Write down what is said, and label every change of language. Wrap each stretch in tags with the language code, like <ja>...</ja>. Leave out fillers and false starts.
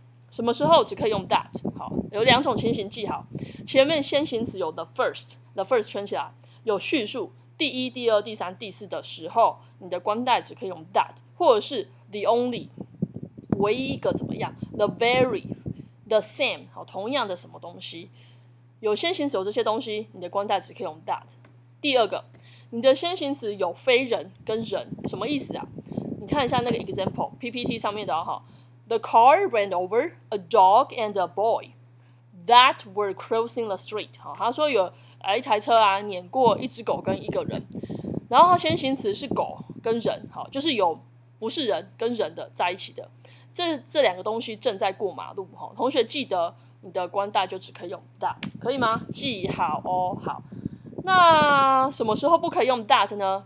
<zh>什么时候只可以用 that？ 好，有两种情形，记好。前面先行词有 the first 圈起来，有叙述第一、第二、第三、第四的时候，你的冠带只可以用 that， 或者是 the only， 唯一一个怎么样 ？the very， the same， 好，同样的什么东西？有先行词有这些东西，你的冠带只可以用 that。第二个，你的先行词有非人跟人，什么意思啊？你看一下那个 example PPT 上面的哈。</zh> <en>The car ran over a dog and a boy that were crossing the street.</en> <zh>好，他说有一台车啊碾过一只狗跟一个人，然后他先行词是狗跟人，好，就是有不是人跟人的在一起的，这两个东西正在过马路。好，同学记得你的冠带就只可以用 that， 可以吗？记好哦。好，那什么时候不可以用 that 呢？</zh>